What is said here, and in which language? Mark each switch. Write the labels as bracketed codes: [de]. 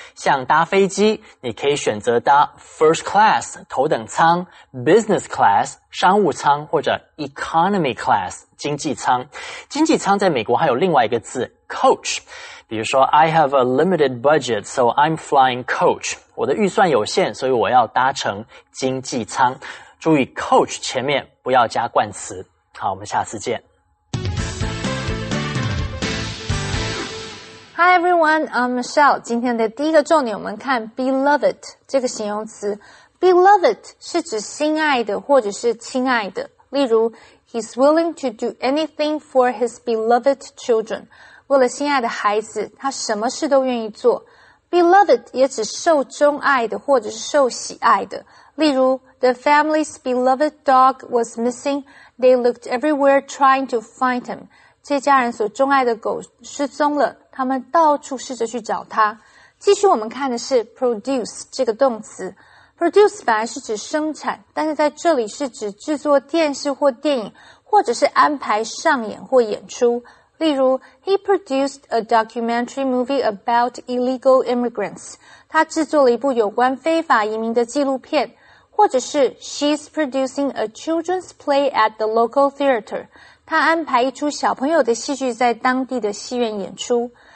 [zh] 像搭飞机，你可以选择搭 first class 头等舱、business class 商务舱或者 economy class 经济舱。经济舱在美国还有另外一个字 coach。比如说 [en] ,I have a limited budget, so I'm flying coach. [zh] 我的预算有限,所以我要搭乘经济舱。注意 coach 前面不要加冠词。好,我们下次见。 [en] Hi everyone, I'm Michelle. [zh] 今天的第一个重点我们看 beloved 这个形容词。 beloved 是指心爱的或者是亲爱的。例如 [en] ,he's willing to do anything for his beloved children. [zh] 为了心爱的孩子，他什么事都愿意做。 Beloved 也指受钟爱的或者是受喜爱的。例如 [en] ,The family's beloved dog was missing. They looked everywhere trying to find him. [zh] 这家人所钟爱的狗失踪了，他们到处试着去找他。继续我们看的是 produce 这个动词。produce 本来是指生产，但是在这里是指制作电视或电影，或者是安排上演或演出。例如 [en] ,he produced a documentary movie about illegal immigrants. [zh] 他制作了一部有关非法移民的纪录片。或者是 [en] ,she's producing a children's play at the local theater. [zh] 他安排一出小朋友的戏剧在当地的戏院演出。